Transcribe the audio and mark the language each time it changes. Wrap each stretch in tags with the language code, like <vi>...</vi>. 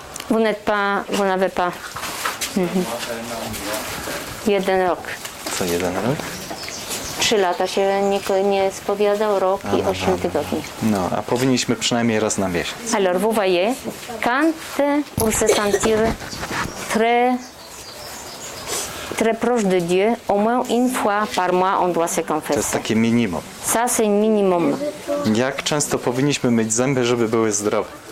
<fr>Vous n'êtes pas, vous n'avez pas.</fr> <pl>Jeden rok. Co jeden rok? Trzy lata się nie spowiadał, rok i osiem tygodni. No, a powinniśmy przynajmniej raz na miesiąc.</pl> <fr>Alors, vous voyez, quand on se sentir très, très proche de Dieu, au moins une fois par mois on doit se confesser.</fr> <pl>To jest takie minimum.</pl> <fr>Ça, c'est minimum.</fr> <pl>Jak często powinniśmy myć zęby, żeby były zdrowe?</pl>